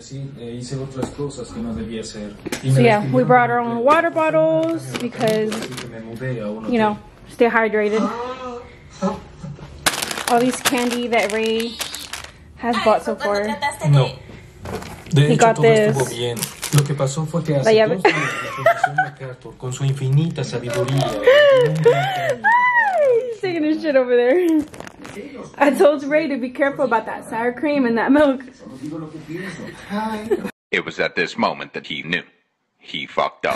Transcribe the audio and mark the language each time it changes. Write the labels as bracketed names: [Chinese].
[English] So yeah, we brought our own water bottles because, you know, stay hydrated. All these candy that Ray has bought so far. No. He got this. [Spanish] Lo que pasó fue que hace 2 días, con su infinita sabiduría. [English] He's taking his shit over there. I told Ray to be careful about that sour cream and that milk. It was at this moment that he knew he fucked up.